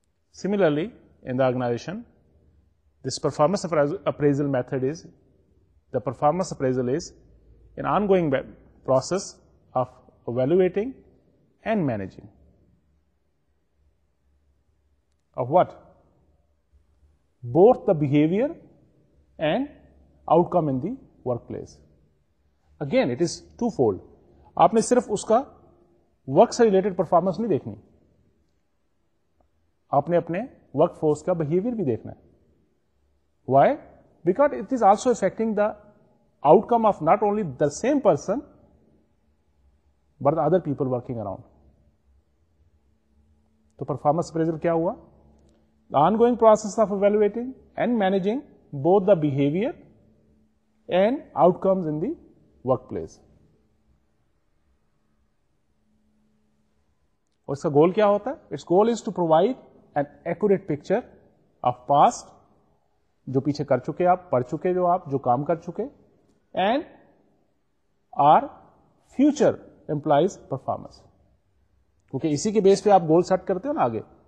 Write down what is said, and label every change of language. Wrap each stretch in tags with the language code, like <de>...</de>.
<en>Similarly, in the organization, this performance appraisal method is, the performance appraisal is an ongoing process of evaluating and managing. Of what? Both the behavior and outcome in the workplace. Again, it is twofold.</en> <ur>آپ نے صرف اس کا work سے related performance نہیں دیکھنی, آپ نے اپنے ورک فورس کا بہیویئر بھی دیکھنا ہے.</ur> <en>Why? Because it is also affecting the outcome of not only the same person but other people working around.</en> <ur>تو پرفارمنس اپریزل کیا ہوا؟</ur> <en>The on going process of evaluating and managing both the behaviour and out comes in the work place.</en> <ur>اور اس کا گول کیا ہوتا ہے؟</ur> <en>it's goal is to provide an accurate picture of past,</en> <ur>جو پیچھے کر چکے آپ, پڑھ چکے جو آپ, جو کام کر چکے,</ur> <en>and our future employees performance,</en> <ur>کیونکہ اسی کے بیس پہ آپ گول سیٹ کرتے ہو نا آگے.</ur>